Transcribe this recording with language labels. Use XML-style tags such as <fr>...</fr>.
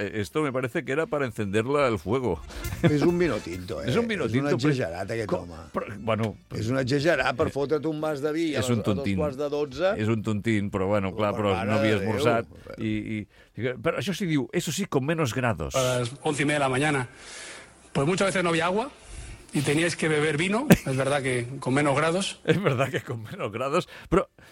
<es>Esto me parece que era para encenderla el fuego.</es> <ca>És</ca> <es>un vino tinto,</es> <ca>És</ca> <es>un vino tinto.</es> <ca>És un exagerat, aquest home. Però, bueno... És un exagerat per fotre't un vas de vi a dos quarts de 12. És un tontín, però, bueno, clar, però no havia esmorzat. Però això sí, diu,</ca> <es>eso sí, con menos grados. A las 11:30 de la mañana, pues muchas veces no había agua. Y teníais que beber vino, es verdad que con menos grados. Es verdad que con menos grados. Pero</es>